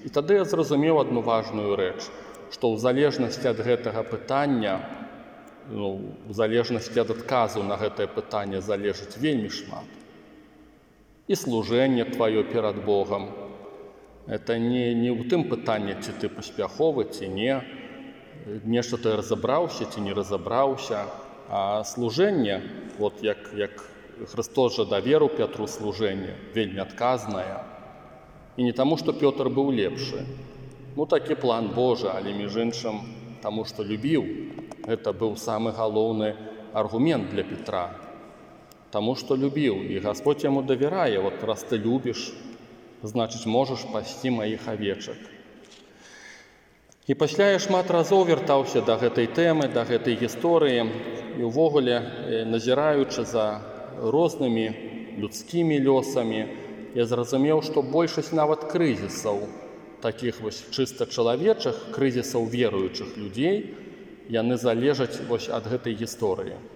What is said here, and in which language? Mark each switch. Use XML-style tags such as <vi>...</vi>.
<be>І тады я зразумеў адну важную рэч, што ў залежнасці ад гэтага пытання, ў залежнасці ад адказу на гэтае пытанне залежыць вельмі шмат.</be> <ru>И служение твое перед Богом. Это не в том питании,</ru> <be>чи ты поспяховый, чи не.</be> <ru>Не, что ты разобрался,</ru> <be>чи не разобрался.</be> <ru>А служение, вот как Христос же доверил Петру служение,</ru> <be>вельми</be> <ru>отказное. И не тому, что Петр был лепше. Так и план Божий,</ru> <be>але між іншим</be> <ru>тому, что любил. Это был самый головный аргумент для Петра. Тому, что любил, и Господь ему доверяет, вот раз ты любишь, значит, можешь пасти моих овечек. И после я</ru> <be>шмат разов вертался</be> <ru>до этой темы, до этой истории, и</ru> <be>увогуле, назираючи</be> <ru>за разными людскими лёсами, я зразумел, что большесть</ru> <be>нават</be> <ru>кризисов, таких вот чисто человечих, кризисов верующих людей,</ru> <be>яны залежат</be> <ru>вот от этой истории.</ru>